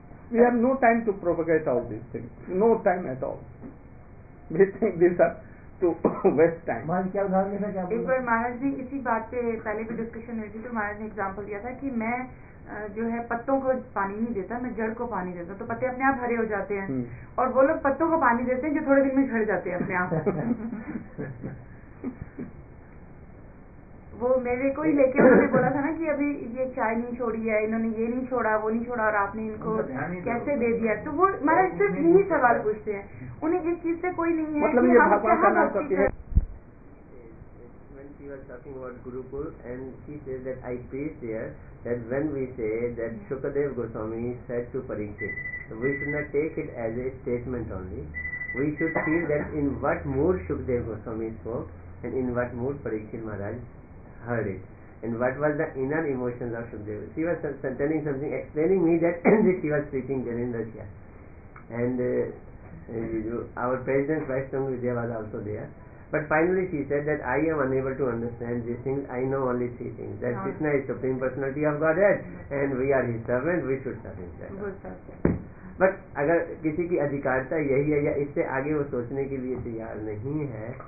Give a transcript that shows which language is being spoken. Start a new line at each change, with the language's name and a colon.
English: We have no time to propagate all these things. No time at all. We think these are to waste time.
Hindi: एक बार महाराज ने इसी बात पे पहले भी डिस्कशन हुई थी, तो महाराज ने एग्जाम्पल दिया था कि मैं जो है पत्तों को पानी नहीं देता, मैं जड़ को पानी देता, तो पत्ते अपने आप हरे हो जाते हैं और वो लोग पत्तों को पानी देते हैं जो थोड़े दिन में झड़ जाते हैं अपने आप। वो मेरे को ही लेके उन्होंने बोला था ना कि अभी ये चाय नहीं छोड़ी है, इन्होंने ये नहीं छोड़ा, वो नहीं छोड़ा, और आपने इनको कैसे दे दिया। तो वो महाराज सिर्फ यही सवाल पूछते हैं, उन्हें इस चीज से कोई नहीं है। मतलब ये भगवान का नाम करते हैं।
English: When she was talking about Gurukul, and she says that I preach here that when we say that Shukadev Goswami said to Parikshit, we should not take it as a statement only. We should feel that in what mood Shukadev Goswami spoke and in what mood Parikshit Maharaj heard it, and what was the inner emotions of Shukadev. She was telling something, explaining me that she was speaking there in Russia, and our president Vaishnava Vidya was also there. But finally she said that I am unable to understand these things, I know only three things, that Krishna is Supreme Personality of Godhead and we are His servant, we should serve Him.
Hindi: But अगर किसी की अधिकारिता यही है या इससे आगे वो सोचने के लिए तैयार नहीं है,